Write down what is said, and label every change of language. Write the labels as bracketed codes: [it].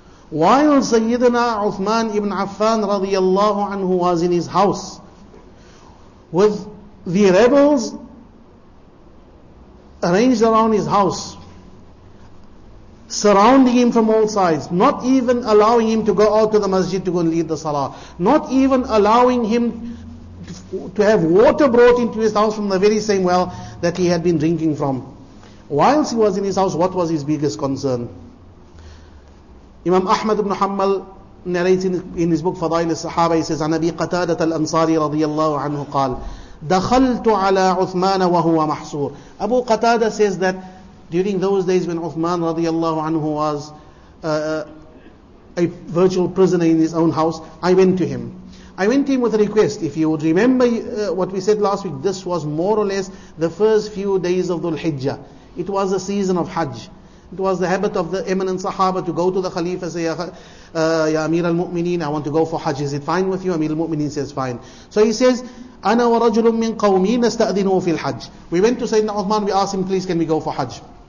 [en] While Sayyidina Uthman ibn Affan radiallahu anhu was in his house with the rebels arranged around his house, surrounding him from all sides, not even allowing him to go out to the masjid to go and lead the salah, not even allowing him to have water brought into his house from the very same well that he had been drinking from. Whilst he was in his house, what was his biggest concern? Imam Ahmad ibn Hanbal narrates in his book Fadail al-Sahaba, he says, [ar] عن أبي قتادة الأنصاري رضي الله عنه قال دخلت على عثمان وهو محصور. [en] Abu Qatada says that during those days when Uthman radiallahu anhu was a virtual prisoner in his own house, I went to him with a request. If you would remember what we said last week, this was more or less the first few days of Dhul Hijjah. It was the season of Hajj. It was the habit of the eminent Sahaba to go to the Khalifa, say, Ya Amir al-Mu'mineen, I want to go for Hajj. Is it fine with you? Amir al-Mu'mineen says, fine. So he says, [ar] أنا ورجل من قومي نستأذنه في الحج. [en] We went to Sayyidina Uthman, we asked him, please can we go for Hajj?